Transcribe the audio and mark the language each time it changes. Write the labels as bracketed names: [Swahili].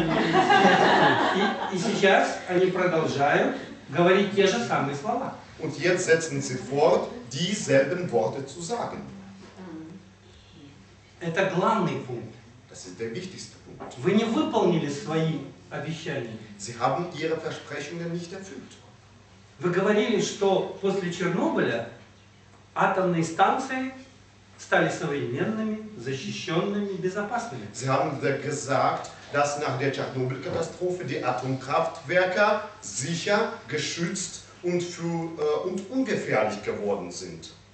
[Russian] И сейчас они продолжают. Говорить те же самые слова. [German] Und jetzt setzen Sie fort, dieselben Worte zu sagen. [Russian] Это главный пункт. [German] Das ist der wichtigste Punkt. [Russian] Вы не выполнили свои обещания. [German] Sie haben Ihre Versprechungen nicht erfüllt. [Russian] Вы говорили, что после Чернобыля атомные станции стали современными, защищенными, безопасными. [German] Sie haben gesagt, dass nach der Tschernobyl-Katastrophe die Atomkraftwerke sicher, geschützt und, für, und ungefährlich geworden sind.